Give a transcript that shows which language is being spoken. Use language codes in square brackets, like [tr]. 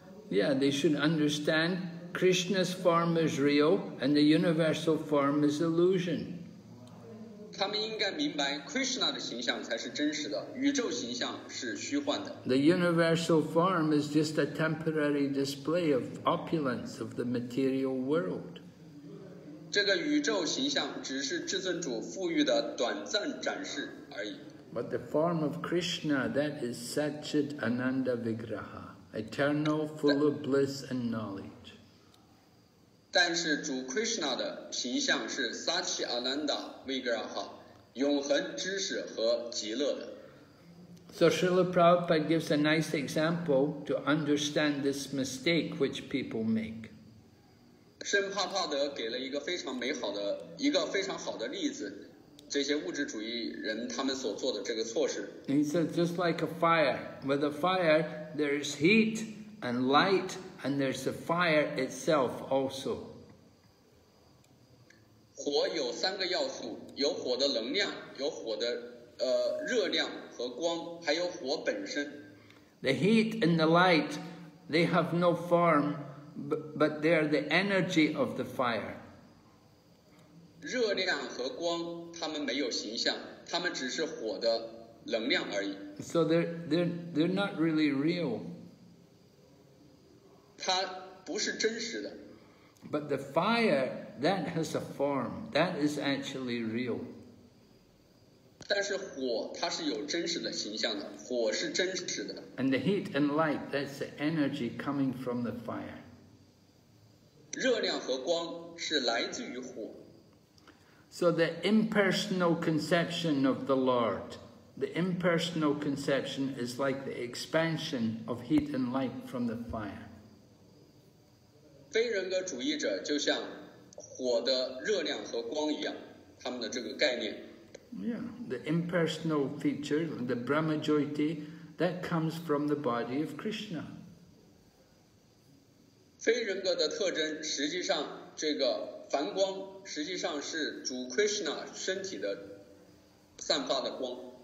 [en] Yeah, they should understand Krishna's form is real and the universal form is illusion. [zh] 他们应该明白 Krishna 的形象才是真实的，宇宙形象是虚幻的。 [en] The universal form is just a temporary display of opulence of the material world. [zh] 这个宇宙形象只是至尊主富裕的短暂展示而已。 [en] But the form of Krishna, that is Satchit Ananda Vigraha, eternal, full of bliss and knowledge. [zh] 但是主 Krishna 的形象是 Satchit Ananda Vigraha, 永恒知识和极乐的。 [en] So Srila Prabhupada gives a nice example to understand this mistake which people make. [zh] 圣帕帕德给了一个非常美好的一个非常好的例子。这些物质主义人他们所做的这个措施。 [en] He said, just like a fire. With a fire, there is heat and light, and there's the fire itself also. [zh] 火有三个要素，有火的能量，有火的热量和光，还有火本身。 [en] The heat and the light, they have no form, but they are the energy of the fire. [zh] 热量和光，它们没有形象，它们只是火的能量而已。 [en] So they're not really real. [zh] 它不是真实的。 [en] But the fire, that has a form, that is actually real. [zh] 但是火，它是有真实的形象的，火是真实的。 [en] And the heat and light, that's the energy coming from the fire. [zh] 热量和光是来自于火。 [en] So the impersonal conception of the Lord, the impersonal conception is like the expansion of heat and light from the fire. [zh] 非人格主义者就像火的热量和光一样，他们的这个概念。 [en] Yeah, the impersonal feature, the Brahma Jyoti, that comes from the body of Krishna. [zh] 非人格的特征，实际上这个梵光实际上是主 Krishna 身体的散发的光。